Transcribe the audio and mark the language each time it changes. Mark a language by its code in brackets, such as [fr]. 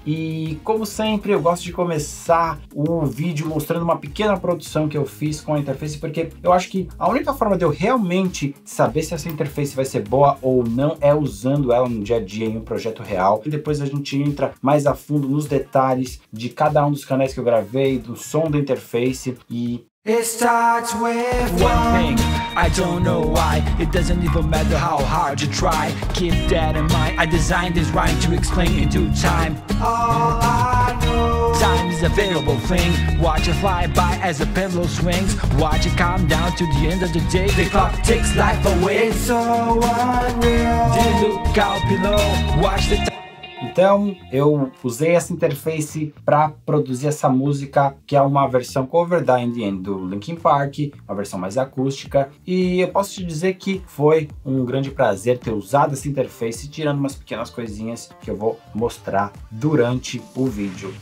[pt] E como sempre, eu gosto de começar o vídeo mostrando uma pequena produção que eu fiz com a interface, porque eu acho que a única forma de eu realmente saber se essa interface vai ser boa ou não é usando ela no dia a dia em um projeto real. E depois a gente entra mais a fundo nos detalhes de cada um dos canais que eu gravei, do som da interface. [en] E it starts with one thing, I don't know why. It doesn't even matter how hard you try. Keep that in mind, I designed this rhyme to explain in due time. All I know, time is a variable thing. Watch it fly by as a pendulum swings. Watch it calm down to the end of the day. The clock takes life away. It's so unreal. Did you look out below? Watch the time. [pt] Então, eu usei essa interface para produzir essa música, que é uma versão cover da In The End do Linkin Park, uma versão mais acústica. E eu posso te dizer que foi um grande prazer ter usado essa interface, tirando umas pequenas coisinhas que eu vou mostrar durante o vídeo.